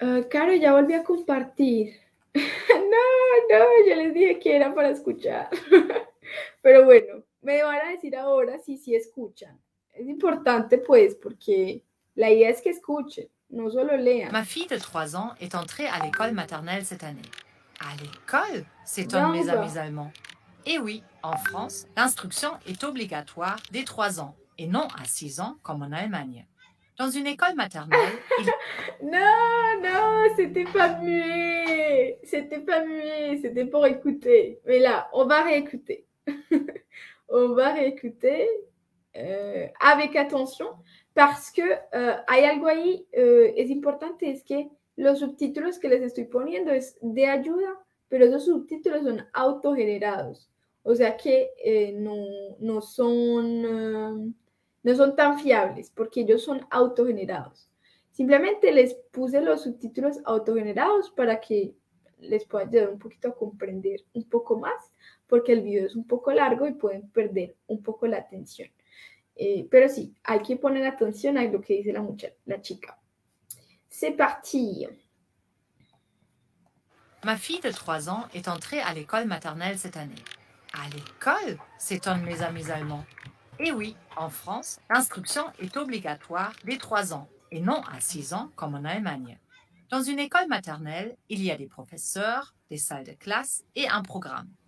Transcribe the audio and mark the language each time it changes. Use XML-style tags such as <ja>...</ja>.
<es>Caro, ya volví a compartir. No, yo les dije que era para escuchar. Pero bueno, me van a decir ahora si sí si escuchan. Es importante, pues, porque la idea es que escuchen, no solo lean.</es> <fr>Ma fille de 3 ans est entrée à l'école maternelle cette année. À l'école? S'étonnent mes amis Bamba. allemands. Eh oui, en France, l'instruction est obligatoire dès 3 ans et non à 6 ans comme en Allemagne. Dans une école maternelle, il... C'était pas muet, c'était pas muet, c'était pour écouter. Mais là, on va réécouter. On va réécouter avec attention parce que</fr> <es>hay algo ahí, es importante, es que los subtítulos que les estoy poniendo es de ayuda, pero esos subtítulos son autogenerados. O sea que no son tan fiables porque ellos son autogenerados. Simplemente les puse los subtítulos autogenerados para que les pueda ayudar un poquito a comprender un poco más, porque el video es un poco largo y pueden perder un poco la atención. Pero sí, hay que poner atención a lo que dice la muchacha, la chica.</es> <fr>C'est parti. Ma fille de 3 ans est entrée à l'école maternelle cette année. À l'école? S'étonnent mes amis allemands. Eh oui, en France, l'instruction est obligatoire dès 3 ans et non à 6 ans comme en Allemagne. Dans une école maternelle, il y a des professeurs, des salles de classe et un programme.</fr>